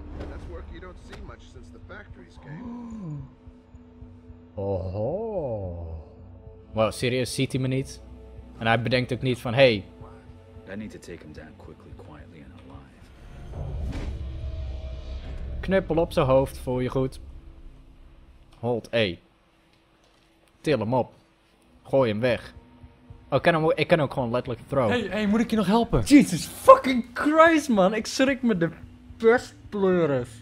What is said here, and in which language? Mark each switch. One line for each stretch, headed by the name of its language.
English: That's work you don't see much since the factories came. Oh.
Dutch: Well, serieus, ziet hij me niet? En hij bedenkt ook niet van, hey.
English: I need to take him down quickly, quietly and alive.
Dutch: Knuppel op zijn hoofd, voel je goed.
English: Hold A.
Dutch: Til hem op. Gooi hem weg. Oh, ik kan ook gewoon letterlijk throw. Hey, moet ik je nog helpen?
English: Jesus fucking Christ, man.
Dutch: Ik schrik me de best pleuris.